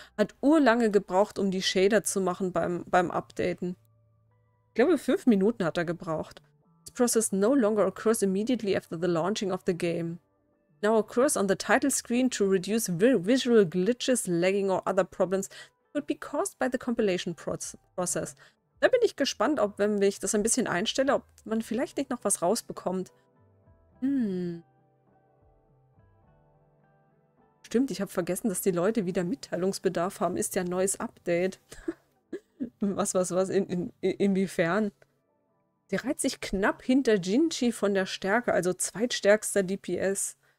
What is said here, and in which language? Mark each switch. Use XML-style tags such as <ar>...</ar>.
<de>Hat urlange gebraucht, um die Shader zu machen beim Updaten. Ich glaube, 5 Minuten hat er gebraucht.</de> <en>This process no longer occurs immediately after the launching of the game. Now occurs on the title screen to reduce visual glitches, lagging or other problems that could be caused by the compilation process.</en> <de>Da bin ich gespannt, ob, wenn ich das ein bisschen einstelle, ob man vielleicht nicht noch was rausbekommt. Stimmt, ich habe vergessen, dass die Leute wieder Mitteilungsbedarf haben. Ist ja ein neues Update. Was, inwiefern? Sie reiht sich knapp hinter Jinchi von der Stärke, also zweitstärkster DPS.</de>